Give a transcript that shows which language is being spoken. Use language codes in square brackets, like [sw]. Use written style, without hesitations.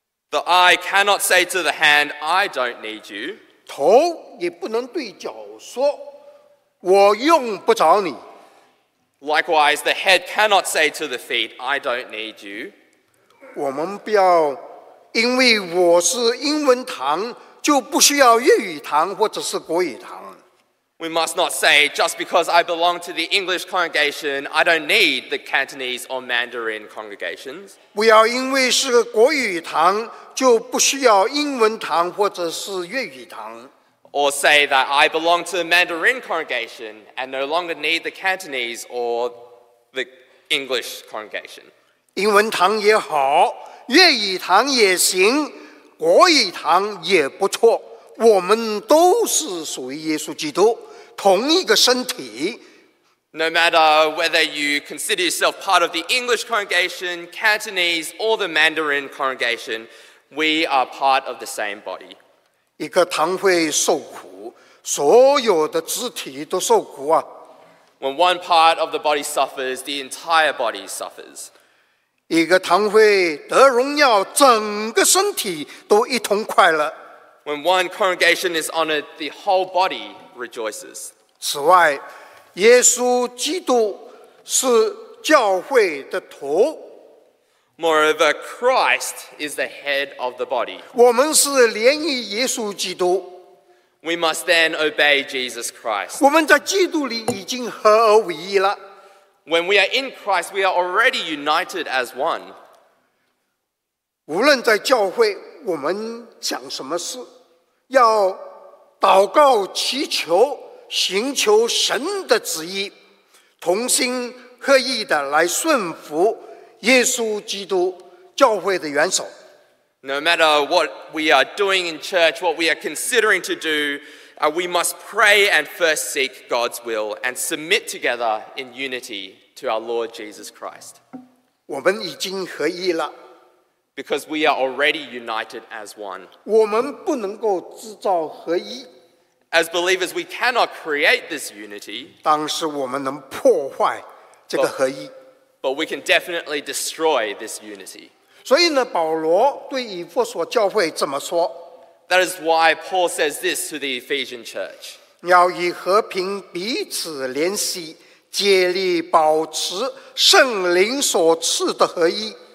[en] The eye cannot say to the hand, I don't need you. [zh] 头也不能对脚说，我用不着你。 [en] Likewise, the head cannot say to the feet, I don't need you. [zh] 我们不要因为我是英文堂，就不需要粤语堂或者是国语堂。 [en] We must not say, just because I belong to the English congregation, I don't need the Cantonese or Mandarin congregations. [zh] 不要因为是国语堂，就不需要英文堂或者是粤语堂。 [en] Or say that I belong to the Mandarin congregation and no longer need the Cantonese or the English congregation. [zh] 英文堂也好，粤语堂也行，国语堂也不错。我们都是属于耶稣基督，同一个身体。 [en] No matter whether you consider yourself part of the English congregation, Cantonese, or the Mandarin congregation, we are part of the same body. [zh] 一个堂会受苦，所有的肢体都受苦啊。 [en] When one part of the body suffers, the entire body suffers. [zh] 一个堂会得荣耀，整个身体都一同快乐。 [en] When one congregation is honored, the whole body rejoices. [zh] 此外，耶稣基督是教会的头。 [en] Moreover, Christ is the head of the body. [zh] 我们是连于耶稣基督。 [en] We must then obey Jesus Christ. [zh] 我们在基督里已经合而为一了。 [en] When we are in Christ, we are already united as one. [zh] 无论在教会，我们讲什么事，要祷告祈求，寻求神的旨意，同心合意的来顺服耶稣基督教会的元首。 [en] No matter what we are doing in church, what we are considering to do, we must pray and first seek God's will and submit together in unity to our Lord Jesus Christ. [zh] 我们已经合一了。 [en] Because we are already united as one. [zh] 我们不能够制造合一。 [en] As believers, we cannot create this unity. [zh] 但是我们能破坏这个合一。 [en] But we can definitely destroy this unity. [zh] 所以呢，保罗对以弗所教会怎么说 [en] ？That is why Paul says this to the Ephesian church. [zh] 要以和平彼此联系，竭力保持圣灵所赐的合一。